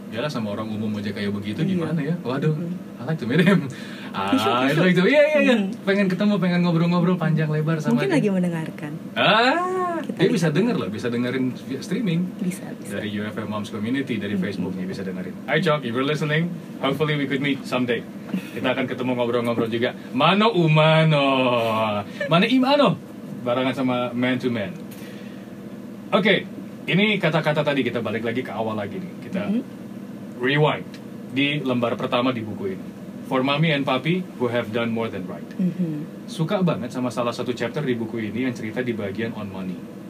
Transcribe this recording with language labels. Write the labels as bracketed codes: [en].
[id] Yalah, sama orang umum aja kayak begitu gimana ya. Waduh, I like to meet him. Iya. Pengen ketemu, pengen ngobrol-ngobrol panjang lebar sama mungkin dia. Mungkin lagi mendengarkan. Dia bisa denger loh, bisa dengerin via streaming. Bisa. Dari UFM Moms Community, dari Facebooknya bisa dengerin. [en] Hi Chok, if you're listening, hopefully we could meet someday. [id] Kita akan ketemu ngobrol-ngobrol juga. Mano umano. Mano imano. Barangan sama man to man. Oke, ini kata-kata tadi, kita balik lagi ke awal lagi nih. Kita rewind di lembar pertama di buku ini. [en] For mommy and papi who have done more than right. [id] Suka banget sama salah satu chapter di buku ini yang cerita di bagian on money.